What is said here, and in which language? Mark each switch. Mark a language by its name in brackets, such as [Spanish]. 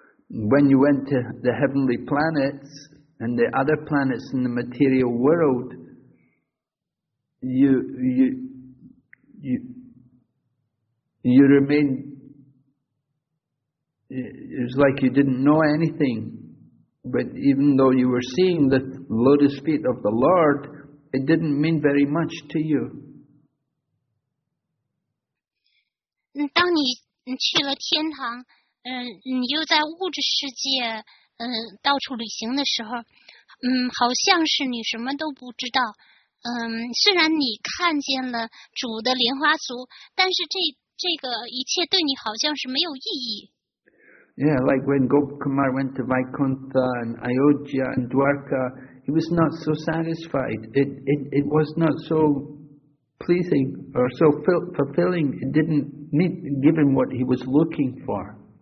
[English] When you went to the heavenly planets and the other planets in the material world, you remained, it was like you didn't know anything, but even though you were seeing the lotus feet of the Lord, it didn't mean very much to you. [Chinese] 当你去了天堂，你又在物质世界，到处旅行的时候，好像是你什么都不知道，虽然你看见了主的莲花足，但是这个一切对你好像是没有意义。 [English] Yeah, like when Gopkumar went to Vaikuntha and Ayodhya and Dwarka, he was not so satisfied. It was not so pleasing or so fulfilling. It didn't meet, give him what he was looking for.